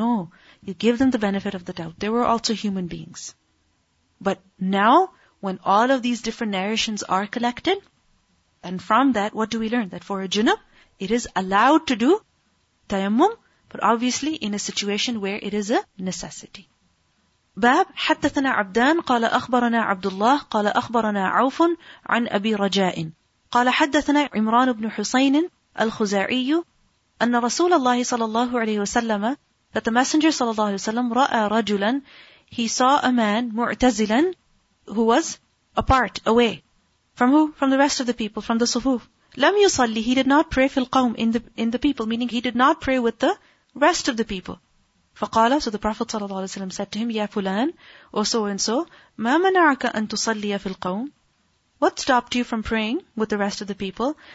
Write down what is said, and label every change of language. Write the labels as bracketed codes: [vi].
[en] No, you give them the benefit of the doubt. They were also human beings. But now, when all of these different narrations are collected, and from that, what do we learn? That for a junub, it is allowed to do tayammum, but obviously in a situation where it is a necessity. [ar] باب حدثنا عبدان قال أخبرنا عبد الله قال أخبرنا عوف عن أبي رجاء قال حدثنا عمران بن حسين الخزاعي أن رسول الله صلى الله عليه وسلم [en] that the messenger [ar] صلى الله عليه وسلم رأى رجلا [en] he saw a man [ar] معتزلا [en] who was apart, away. From who? From the rest of the people, from the صفوف. [ar] لم يصلي, [en] he did not pray [ar] في القوم, [en] in the people, meaning he did not pray with the rest of the people. فقال, so the Prophet صلى الله عليه وسلم said to him, يا فلان, or so and so, [ar] ما منعك أن تصلي في القوم? [en] What stopped you from praying with the rest of the people?